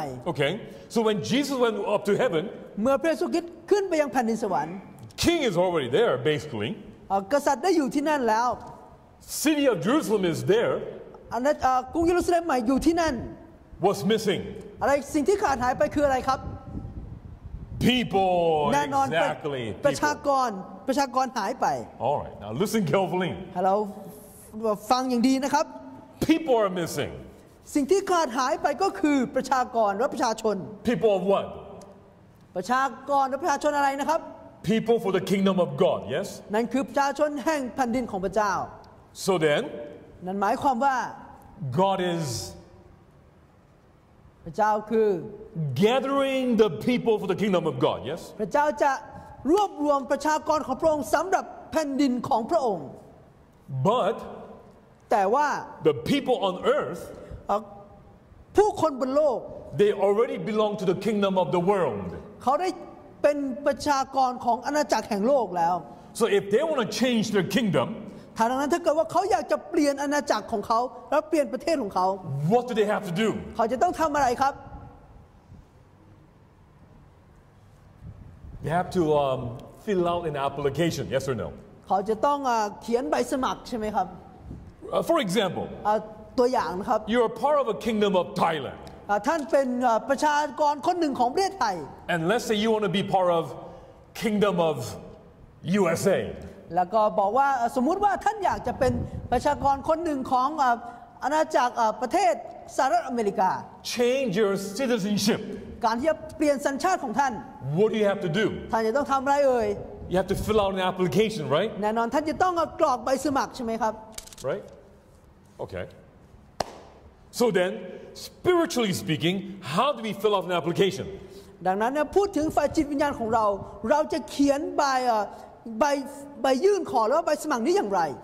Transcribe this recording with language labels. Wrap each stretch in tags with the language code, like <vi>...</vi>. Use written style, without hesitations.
<en>Okay so when Jesus went up to heaven</en> <th>เมื่อพระเยซูคริสต์ขึ้นไปยังแผ่นดินสวรรค์</th> <en>King is already there basically</en> <th>กษัตริย์ได้อยู่ที่นั่นแล้ว</th> <en>City of Jerusalem is there</en> <th>อันนั้นกรุงเยรูซาเล็มใหม่อยู่ที่นั่น</th> <en>What's missing</en> <th>อะไรสิ่งที่ขาดหายไปคืออะไรครับ</th> <en>People</en> <th>แน่นอน</th> <en>exactly</en> <th>ประชากรหายไป</th> <en>All right now listen carefully Hello</en> <th>ฟังอย่างดีนะครับ</th> <en>People are missing</en> <th>สิ่งที่ขาดหายไปก็คือประชากรและประชาชน</th> <en>People of what?</en> <th>ประชากรและประชาชนอะไรนะครับ</th> <en>People for the kingdom of God, yes?</en> <th>นั่นคือประชาชนแห่งแผ่นดินของพระเจ้า</th> <en>So then?</en> <th>นั่นหมายความว่า</th> <en>God is</en> <th>พระเจ้าคือ</th> <en>Gathering the people for the kingdom of God, yes?</en> <th>พระเจ้าจะรวบรวมประชากรของพระองค์สำหรับแผ่นดินของพระองค์</th> <en>But</en> <th>แต่ว่า</th> <en>The people on earth</en> <th>ผู้คนบนโลก</th> <en>They already belong to the kingdom of the world</en> <th>เขาได้เป็นประชากรของอาณาจักรแห่งโลกแล้ว</th> <en>So if they want to change their kingdom</en> <th>ถ้าดังนั้นถ้าเกิดว่าเขาอยากจะเปลี่ยนอาณาจักรของเขาแล้วเปลี่ยนประเทศของเขา</th> <en>What do they have to do</en> <th>เขาจะต้องทำอะไรครับ</th> <en>You have to fill out an application, yes or no?</en> <th>เขาจะต้องเขียนใบสมัครใช่ไหมครับ</th> <en>For example,</en> <th>ตัวอย่างนะครับ</th> <en>You are part of a kingdom of Thailand.</en> <th>ท่านเป็นประชากรคนหนึ่งของประเทศไทย</th> <en>And let's say you want to be part of kingdom of USA.</en> <th>แล้วก็บอกว่าสมมุติว่าท่านอยากจะเป็นประชากรคนหนึ่งของอาณาจักรประเทศสหรัฐอเมริกา</th> <en>Change your citizenship.</en> <th>การที่จะเปลี่ยนสัญชาติของท่าน</th> <en>What do you have to do?</en> <th>ท่านจะต้องทำอะไรเอ่ย</th> <en>You have to fill out an application, right?</en> <th>แน่นอนท่านจะต้องกรอกใบสมัครใช่ไหมครับ</th> <en>Right? Okay. So then, spiritually speaking, how do we fill out an application?</en> <th>ดังนั้นพูดถึงฝ่ายจิตวิญญาณของเราเราจะเขียนใบยื่นขอหรือใบสมัครนี้อย่างไร</th>